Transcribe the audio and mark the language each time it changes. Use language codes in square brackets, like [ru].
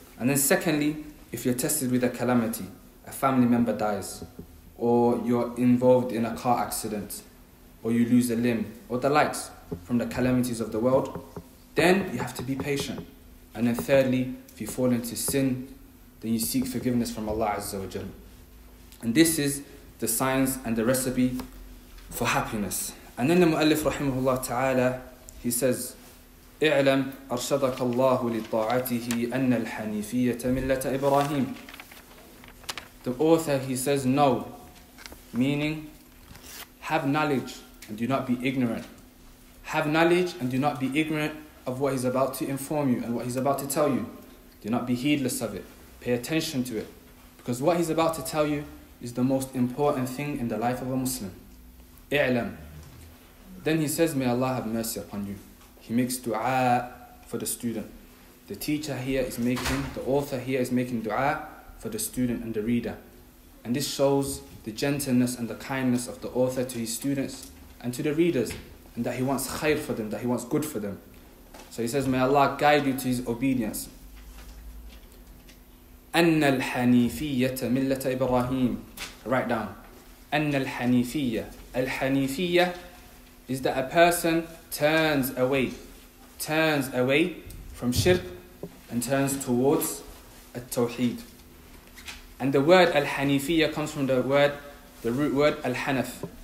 [en] And then secondly, if you're tested with a calamity, a family member dies, or you're involved in a car accident, or you lose a limb, or the likes from the calamities of the world, then you have to be patient. And then thirdly, if you fall into sin, then you seek forgiveness from Allah Azza wa Jal. And this is the signs and the recipe for happiness. And then the Mu'allif rahimahullah ta'ala, he says, [ar] اعلم أرشدك الله لطاعته أن الحنيفية ملة إبراهيم. [en] The author, he says, no, meaning have knowledge and do not be ignorant. Have knowledge and do not be ignorant of what he's about to inform you and what he's about to tell you. Do not be heedless of it. Pay attention to it. Because what he's about to tell you is the most important thing in the life of a Muslim. [ar] اعلم. [en] Then he says, may Allah have mercy upon you. He makes dua for the student. The author here is making dua for the student and the reader. And this shows the gentleness and the kindness of the author to his students and to the readers, and that he wants khair for them, that he wants good for them. So he says, may Allah guide you to his obedience. [ar] أن الحنيفية ملة إبراهيم. [en] Write down. [ar] أن الحنيفية. [en] الحنيفية is that a person turns away from shirk and turns towards at-tawheed. And the word al-hanifiyya comes from the root word al-hanaf.